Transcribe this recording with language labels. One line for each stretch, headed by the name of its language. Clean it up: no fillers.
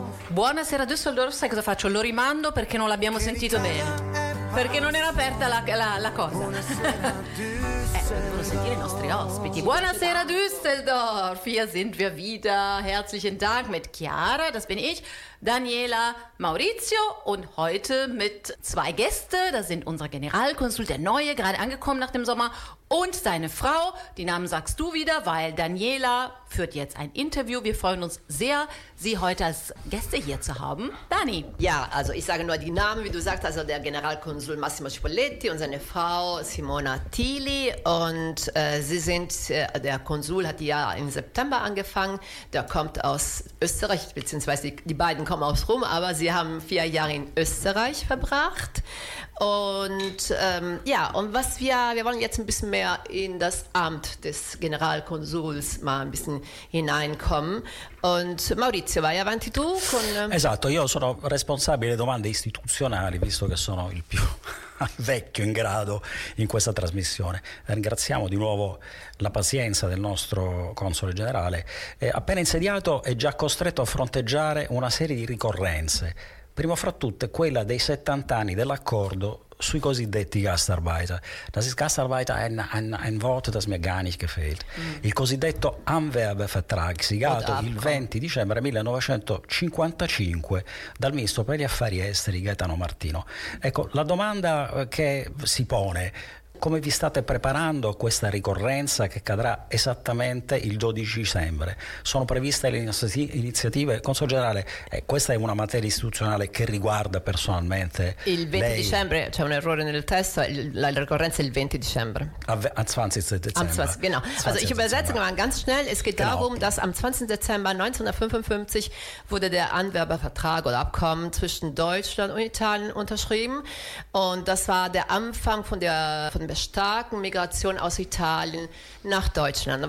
Italian: Buonasera Düsseldorf, sai cosa faccio? Lo rimando perché non l'abbiamo sentito bene, perché non era aperta la cosa. Devono sentire i nostri ospiti. Buonasera
German: Düsseldorf, hier sind wir wieder, herzlichen Dank mit Chiara, das bin ich, Daniela, Maurizio und heute mit zwei Gäste, das sind unser Generalkonsul, der Neue, gerade angekommen nach dem Sommer, und seine Frau, die Namen sagst du wieder, weil Daniela führt jetzt ein Interview. Wir freuen uns sehr, sie heute als Gäste hier zu haben. Dani. Ja, also ich sage nur die Namen, wie du sagst, also der Generalkonsul Massimo Cipolletti und seine Frau Simona Tili. Und sie sind, der Konsul hat ja im September angefangen, der kommt aus Österreich, beziehungsweise die beiden kommen aus Rom, aber sie haben 4 Jahre in Österreich verbracht. Und ja, und was wir wollen jetzt ein bisschen mehr in das Amt des Generalkonsuls mal ein bisschen hineinkommen. Und
Italian: Maurizio, vai avanti tu con... Esatto, io sono responsabile domande istituzionali, visto che sono il più vecchio in grado in questa trasmissione. Ringraziamo di nuovo la pazienza del nostro console generale. Appena insediato è già costretto a fronteggiare una serie di ricorrenze. Prima fra tutte quella dei 70 anni dell'accordo sui cosiddetti Gastarbeiter.
German: Das ist Gastarbeiter ein Wort, das mir gar nicht gefällt.
Italian: Il cosiddetto Anwerbevertrag, sigato il 20 dicembre 1955 dal ministro per gli affari esteri Gaetano Martino. Ecco, la domanda che si pone: come vi state preparando a questa ricorrenza che cadrà esattamente il 12 dicembre? Sono previste le iniziative? Console generale, questa è una materia istituzionale che riguarda personalmente il 20 lei. Dicembre, c'è un errore nel testo, la ricorrenza è il 20 dicembre.
German: Am 20. Dezember. Am 20, genau. Also ich übersetze mal ganz schnell, es geht darum, dass am 20. Dezember 1955 wurde der Anwerbervertrag oder Abkommen zwischen Deutschland und Italien unterschrieben, und das war der Anfang von der einer starken Migration aus Italien nach Deutschland.